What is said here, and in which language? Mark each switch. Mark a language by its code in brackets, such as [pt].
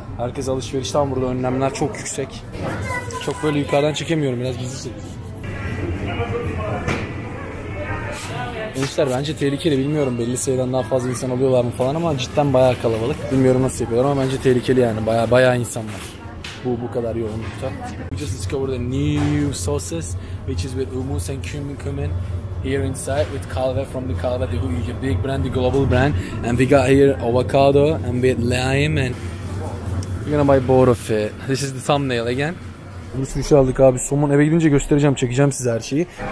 [tr] Herkes alışverişten, burada önlemler çok yüksek. Çok böyle yukarıdan çekemiyorum, biraz gizli çekiyorum. Gençler bence tehlikeli, bilmiyorum belli sayıdan daha fazla insan alıyorlar mı falan ama cidden bayağı kalabalık. Bilmiyorum nasıl yapıyorlar ama bence tehlikeli yani, bayağı insan var. Bu kadar yoğunlukta. [en] We just discovered a new sauces which is with hummus and cumin here inside with kahve from the kahve, the big brand, the global brand. And we got here avocado and with lime and we're gonna buy both of it. This is the thumbnail again. [tr] Bir sürü şey aldık abi, somon, eve gidince göstereceğim, çekeceğim size her şeyi.